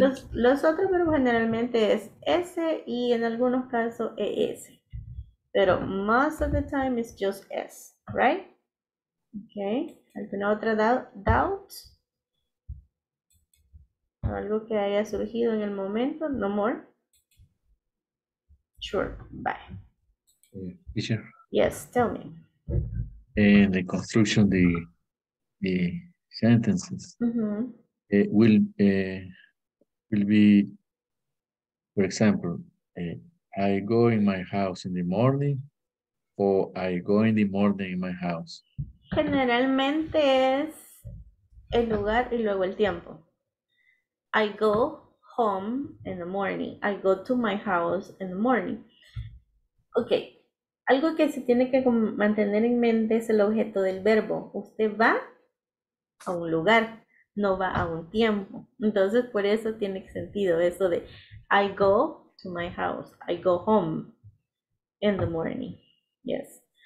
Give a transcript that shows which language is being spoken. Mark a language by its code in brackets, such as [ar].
[es] Los otros verbos generalmente es S y en algunos casos ES. [en] Pero most of the time it's just S, right? [es] Okay. ¿Alguna otra doubt? ¿Algo que haya surgido en el momento? [en] No more. Sure, bye. Teacher. Yes, tell me. And the construction, the... the sentences. Mm-hmm. It will be, for example, I go in my house in the morning, or I go in the morning in my house. [es] Generalmente es el lugar y luego el tiempo. [en] I go home in the morning. I go to my house in the morning. Okay. [es] Algo que se tiene que mantener en mente es el objeto del verbo. Usted va a un lugar, no va a un tiempo. Entonces, por eso tiene sentido eso de [en] I go to my house, I go home in the morning. [es] Yes.